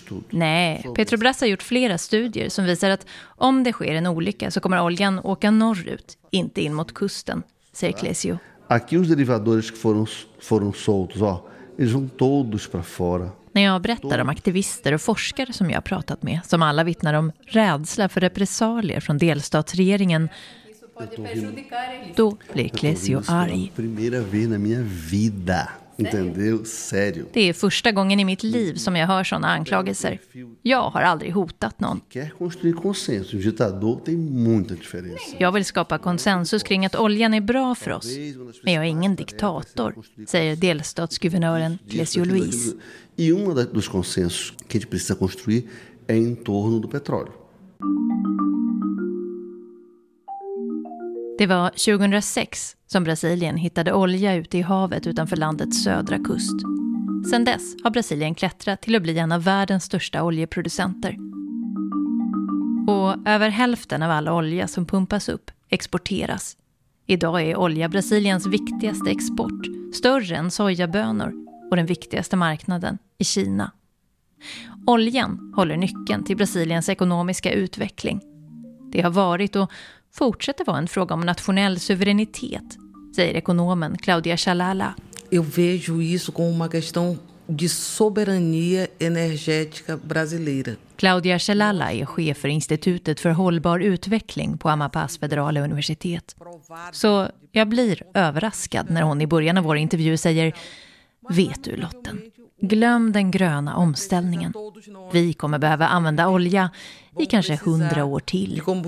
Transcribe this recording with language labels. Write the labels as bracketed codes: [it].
[sv] Nej, Petrobras har gjort flera studier som visar att om det sker en olycka så kommer oljan åka norrut, inte in mot kusten, säger Clécio. [pt] Aqui os derivadores que foram soltos, ó, eles vão todos para fora. [sv] När jag berättar om aktivister och forskare som jag har pratat med, som alla vittnar om rädsla för repressalier från delstatsregeringen, då blir Clécio arg. [pt] Primeira vez na minha vida. Entendeu? Sério. [sv] Det är första gången i mitt liv som jag hör såna anklagelser. Jag har aldrig hotat någon. [pt] Quer construir consenso. Um ditador tem muita diferença. [sv] Jag vill skapa konsensus kring att oljan är bra för oss. Men jag är ingen diktator, säger delstatsguvernören Clécio Louise. [pt] E um dos consensos que a gente precisa construir é em torno do petróleo. [sv] Det var 2006 som Brasilien hittade olja ute i havet utanför landets södra kust. Sedan dess har Brasilien klättrat till att bli en av världens största oljeproducenter. Och över hälften av all olja som pumpas upp exporteras. Idag är olja Brasiliens viktigaste export, större än sojabönor och den viktigaste marknaden i Kina. Oljan håller nyckeln till Brasiliens ekonomiska utveckling. Det har varit och fortsätter vara en fråga om nationell suveränitet, säger ekonomen Claudia Chalala. [pt] Eu vejo isso como uma questão de soberania energética brasileira. [sv] Claudia Chalala är chef för Institutet för hållbar utveckling på Amapás federala universitet. Så jag blir överraskad när hon i början av vår intervju säger: vet du, Lotten, glöm den gröna omställningen. Vi kommer behöva använda olja i kanske 100 år till.